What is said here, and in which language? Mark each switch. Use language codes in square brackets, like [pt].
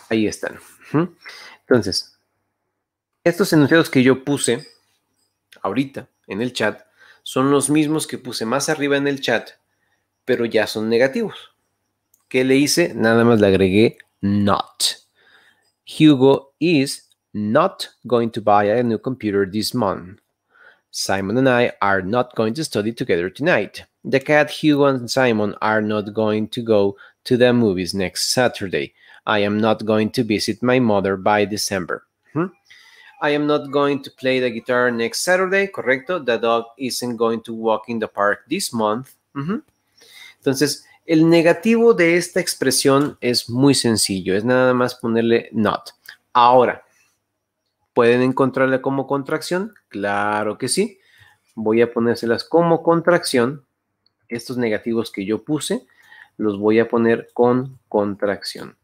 [es] Ahí están. Uh-huh. Entonces, estos enunciados que yo puse ahorita en el chat son los mismos que puse más arriba en el chat, pero ya son negativos. ¿Qué le hice? Nada más le agregué not. [en] Hugo is not going to buy a new computer this month. Simon and I are not going to study together tonight. The cat Hugo and Simon are not going to go to the movies next Saturday. I am not going to visit my mother by December. Hmm? I am not going to play the guitar next Saturday. Correcto. The dog isn't going to walk in the park this month. Mm-hmm. [es] Entonces, el negativo de esta expresión es muy sencillo. Es nada más ponerle not. Ahora, ¿pueden encontrarla como contracción? Claro que sí. Voy a ponérselas como contracción. Estos negativos que yo puse, los voy a poner con contracción.